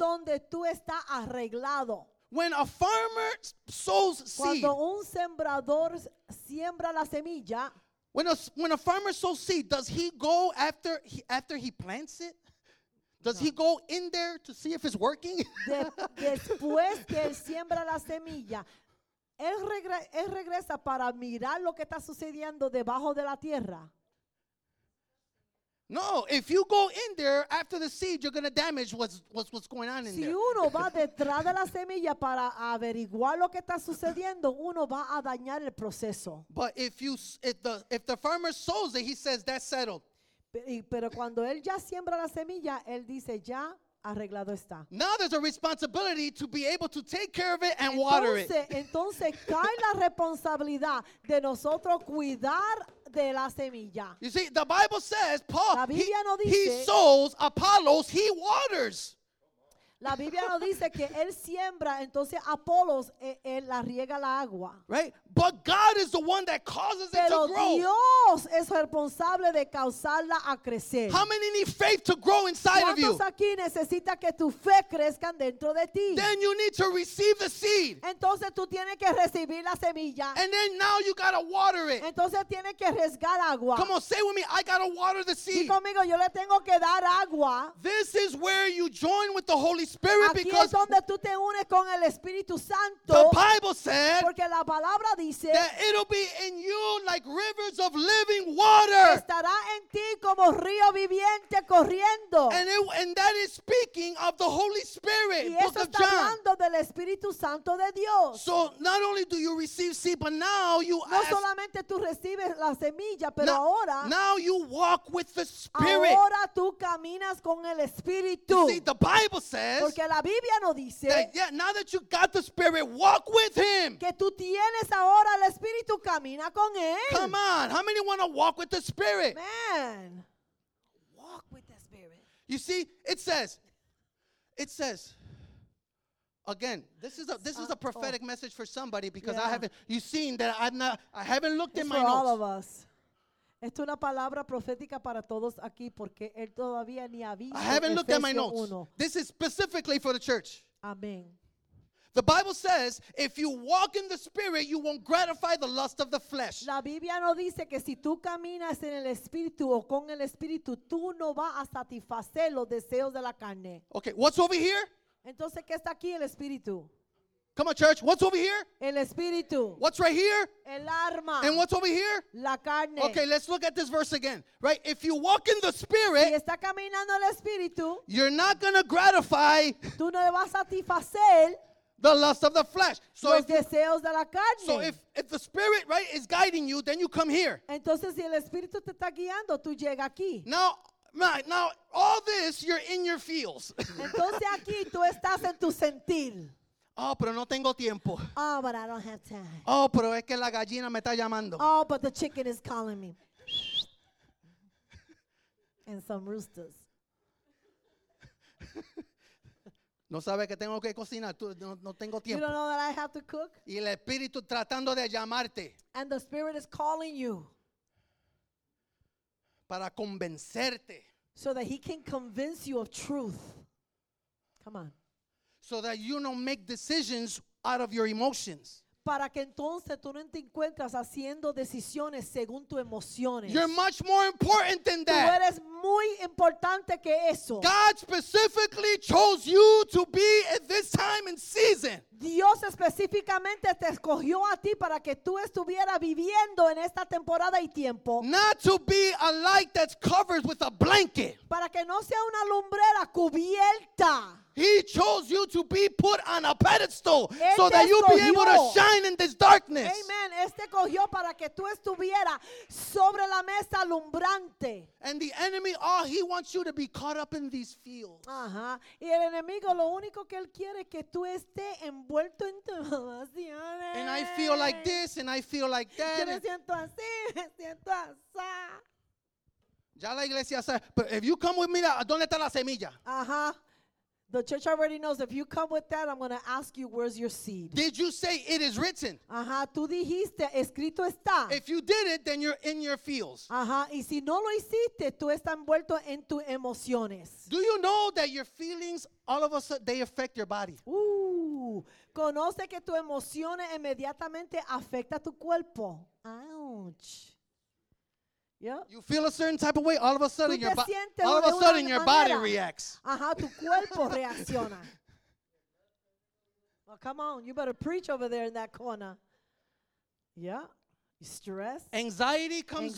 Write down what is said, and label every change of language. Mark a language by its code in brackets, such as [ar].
[es] Ahí donde tú está arreglado. [en] When a farmer sows seed. [es] Cuando un sembrador siembra la semilla. [en] When a farmer sows seed, does he go after he plants it? Does he go in there to see if it's working? [es] Después que él siembra la semilla, él regresa para mirar lo que está sucediendo debajo de la tierra. [en] No, if you go in there after the seed, you're going to damage what's going on in [es] si [en] there. [es] Si uno va detrás de la semilla para averiguar lo que está sucediendo, uno va a dañar el proceso. [en] But if the farmer sows it, he says that's settled. [es] Pero cuando él ya siembra la semilla, él dice ya arreglado está. [en] Now there's a responsibility to be able to take care of it and water it. [es] Entonces cae la responsabilidad de nosotros cuidar de la semilla. [en] You see, the Bible says, Paul, [es] la Biblia no dice, [en] he sows, Apollos, he waters. [es] La Biblia no dice que él siembra, entonces Apollos, él la riega la agua. [en] Right? But God is the one that causes [es] Pero [en] it to grow. [es] Dios es responsable de causarla a crecer. [en] How many need faith to grow inside of you? [es] ¿Cuántos aquí necesita que tu fe crezca dentro de ti? [en] Then you need to receive the seed. [es] Entonces tú tienes que recibir la semilla. [en] And then now you gotta water it. [es] Entonces tienes que regar agua. [en] Come on, say with me, I gotta water the seed. [es] Dí conmigo, yo le tengo que dar agua. [en] This is where you join with the Holy Spirit [es] aquí [en] because [es] es donde tú te unes con el Espíritu Santo. [en] The Bible said. [es] Porque la palabra dice, [en] that it'll be in you like rivers of living water. [es] Estará en ti como río viviente corriendo. [en] And, it, and that is speaking of the Holy Spirit. [es] Y eso [en] Book of [es] está [en] John. [es] Hablando del Espíritu Santo de Dios. [en] So not only do you receive seed, but now you [es] no [en] ask. [es] No solamente tú recibes la semilla, pero no, ahora. [en] Now you walk with the Spirit. [es] Ahora tú caminas con el Espíritu. [en] You see, the Bible says. [es] Porque la Biblia no dice. [en] That, yeah, now that you got the Spirit, walk with Him. [es] Que tú tienes ahora el Espíritu camina con él. [en] Come on, how many want to walk with the Spirit? Man, walk with the Spirit. You see, it says, again, this is a prophetic message for somebody because yeah. I haven't looked it's in my for notes. All of us. [es] Esto es una palabra profética para todos aquí porque él todavía ni ha visto. [en] I haven't looked [es] Efesios [en] at my notes. [es] Uno. [en] This is specifically for the church. Amen. The Bible says, if you walk in the Spirit, you won't gratify the lust of the flesh. [es] La Biblia no dice que si tú caminas en el Espíritu o con el Espíritu, tú no vas a satisfacer los deseos de la carne. [en] Okay, what's over here? [es] Entonces, ¿qué está aquí? El Espíritu. [en] Come on, church. What's over here? [es] El Espíritu. [en] What's right here? [es] El arma. [en] And what's over here? [es] La carne. [en] Okay, let's look at this verse again. Right? If you walk in the Spirit, [es] si está caminando el Espíritu, [en] you're not going to gratify [es] tú no le vas a satisfacer [en] the lust of the flesh. So [es] los deseos de la carne. [en] So if the Spirit, right, is guiding you, then you come here. [es] Entonces, si el Espíritu te está guiando, tú llegas aquí. [en] Now, all this, you're in your feels. [es] Entonces, aquí, tú estás en tu sentir. Oh, pero no tengo tiempo. [en] Oh, but I don't have time. [es] Oh, pero es que la gallina me está llamando. [en] Oh, but the chicken is calling me. And some roosters. [es] No sabe que tengo que cocinar. No tengo tiempo. [en] You don't know that I have to cook? [es] Y el Espíritu tratando de llamarte. [en] And the Spirit is calling you. [es] Para convencerte. [en] So that He can convince you of truth. Come on. So that you don't make decisions out of your emotions. [es] Para que entonces tú no te encuentras haciendo decisiones según tus emociones. [en] You're much more important than that. [es] Tú eres muy importante que eso. [en] God specifically chose you to be at this time and season. [es] Dios específicamente te escogió a ti para que tú estuvieras viviendo en esta temporada y tiempo. [en] Not to be a light that's covered with a blanket. [es] Para que no sea una lumbrera cubierta. [en] He chose you to be put on a pedestal so that you'll be able to shine in this darkness. Amen. [es] Este cogió para que tú estuvieras sobre la mesa alumbrante. [en] And the enemy, all he wants you to be caught up in these fields. Uh-huh. [es] Y el enemigo, lo único que él quiere es que tú estés envuelto en tus emociones. [en] And I feel like this, and I feel like that. [es] Yo me siento así, me siento así. Ya la iglesia sabe. [en] But if you come with me, [es] ¿dónde está la semilla? Uh-huh. [en] The church already knows, if you come with that, I'm going to ask you, where's your seed? Did you say it is written? [es] Uh-huh. Tú dijiste, escrito está. [en] If you did it, then you're in your feels. Uh-huh. [es] Y si no lo hiciste, tú estás envuelto en tus emociones. [en] Do you know that your feelings, all of a sudden, they affect your body? Ooh. [es] Conoce que tus emociones inmediatamente afectan tu cuerpo. [en] Ouch. Yeah. You feel a certain type of way, all of a sudden your body reacts. [es] Uh-huh, tu cuerpo reacciona. [en] Well, come on, you better preach over there in that corner. Yeah, Stress. Anxiety comes